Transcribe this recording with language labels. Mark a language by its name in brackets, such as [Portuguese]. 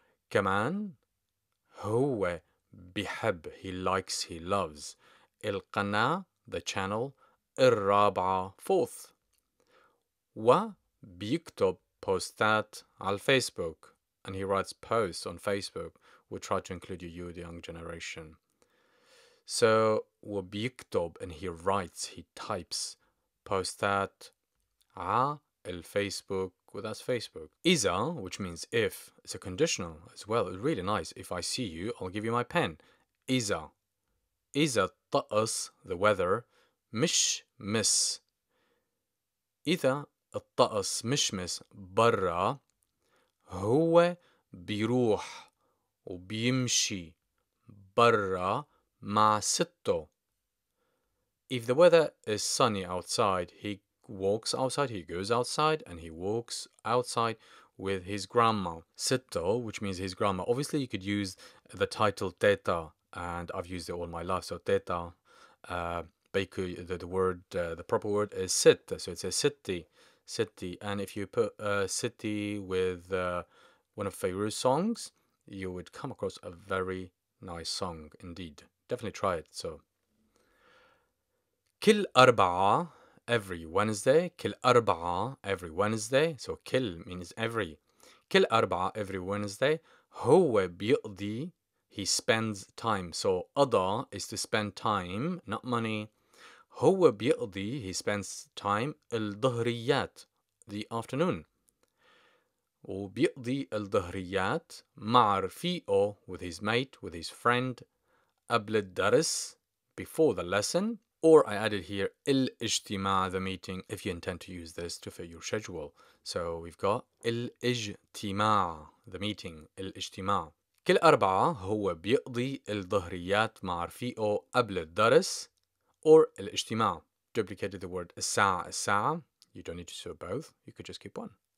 [Arabic] كمان, هو بيحب, [English] he likes, he loves, [Arabic] القناة, [English] the channel, [Arabic] الرابعة, [English] fourth. [Arabic] و بيكتب بوستات على فيسبوك. [English] And he writes posts on Facebook. We try to include you, the young generation. So, [Arabic] وبيكتب, [English] and he writes, he types, [Arabic] بوستات على الفيسبوك. [English] Well, that's Facebook. [Arabic] إذا, [English] which means if, it's a conditional as well. It's really nice. If I see you, I'll give you my pen. [Arabic] إذا. إذا الطقس, [English] the weather, [Arabic] مش مس. إذا الطقس مش مس برا, هو بيروح وبيمشي برا مع ستو. [English] If the weather is sunny outside, he walks outside, he goes outside, and he walks outside with his grandma. ستو, which means his grandma. Obviously, you could use the title تيتا, and I've used it all my life, so تيتا. The proper word is ست, so it's a ستي. ستي, and if you put ستي with one of Feiru's songs, you would come across a very nice song indeed. Definitely try it. So, [Arabic] كل أربعة, [English] every Wednesday. [Arabic] كل أربعة, [English] every Wednesday. So, كل means every. [Arabic] كل أربعة, [English] every Wednesday. [Arabic] هو بيقضي, [English] he spends time. So, أضع is to spend time, not money. [Arabic] هو بيقضي, [English] he spends time, [Arabic] الظهريات, [English] the afternoon. [Arabic] وبيقضي الظهريات مع رفيقه, [English] with his mate, with his friend, [Arabic] قبل الدرس, [English] before the lesson, or I added here [Arabic] الاجتماع, [English] the meeting, if you intend to use this to fit your schedule. So we've got [Arabic] الاجتماع, [English] the meeting, الاجتماع. [Arabic] كل أربعة, هو بيقضي الظهريات مع رفيقه قبل الدرس, or الاجتماع. [English] Duplicated the word [Arabic] الساعة, [English] الساعة. You don't need to say both, you could just keep one.